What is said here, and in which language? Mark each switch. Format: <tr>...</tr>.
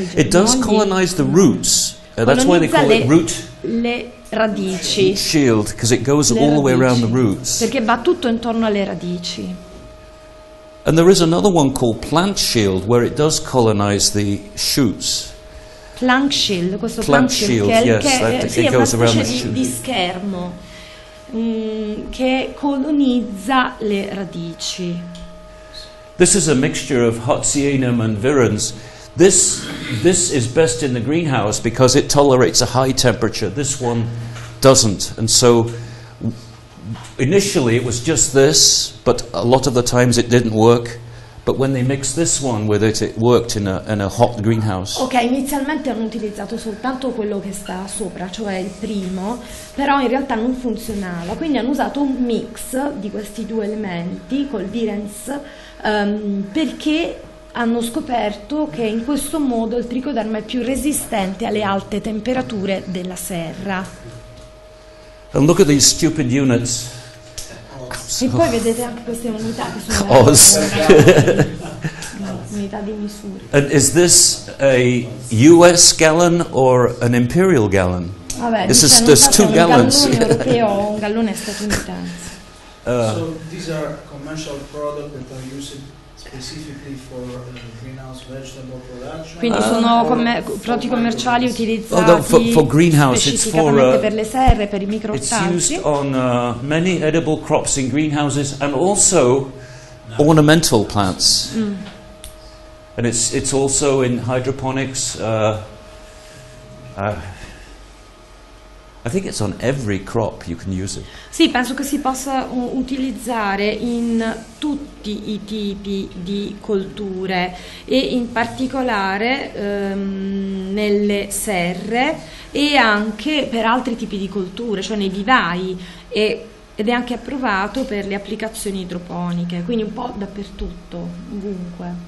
<it>il germoglio.</it> <en>It does colonize the roots. That's why they call it root.</en> <it>Le radici.</it> <en>Shield, because it goes all the way around the roots.</en> <it>Perché va tutto intorno alle radici.</it> <en>And there is another one called plant shield, where it does colonize the shoots.</en> <it>Plant shield, questo plant shield, di schermo che colonizza le radici.</it> <en>This is a mixture of Hotsienum and Virens. This is best in the greenhouse because it tolerates a high temperature. This one doesn't. And so initially it was just this, but a lot of the times it didn't work. But when they mixed this one with it, it worked in a hot greenhouse.</en> <it>Ok, inizialmente hanno utilizzato soltanto quello che sta sopra, cioè il primo, però in realtà non funzionava. Quindi hanno usato un mix di questi due elementi col Virens, perché hanno scoperto che in questo modo il tricoderma è più resistente alle alte temperature della serra.</it> <en>And look at these stupid units.</en> <it>E poi vedete anche queste unità che sono</it> <en>Oz.</en> <it>Unità di misura.</it> <en>And is this a US gallon or an imperial gallon?</en> <it>Vabbè,</it> <en>this is, there's two gallons.</en> <it>Un gallone europeo o un gallone statunitense.</it> <en>So these are commercial products that are used specifically for greenhouse vegetable production.</en> <it>Quindi sono prodotti commerciali utilizzati specificamente per le serre, per i microstati.</it> <en>It's used on many edible crops in greenhouses and also ornamental plants. Mm. And it's also in hydroponics. I think it's on every crop you can use it.</en> <it>Sì, penso che si possa utilizzare in tutti i tipi di colture e in particolare nelle serre e anche per altri tipi di colture, cioè nei vivai, ed è anche approvato per le applicazioni idroponiche, quindi un po' dappertutto, ovunque.</it>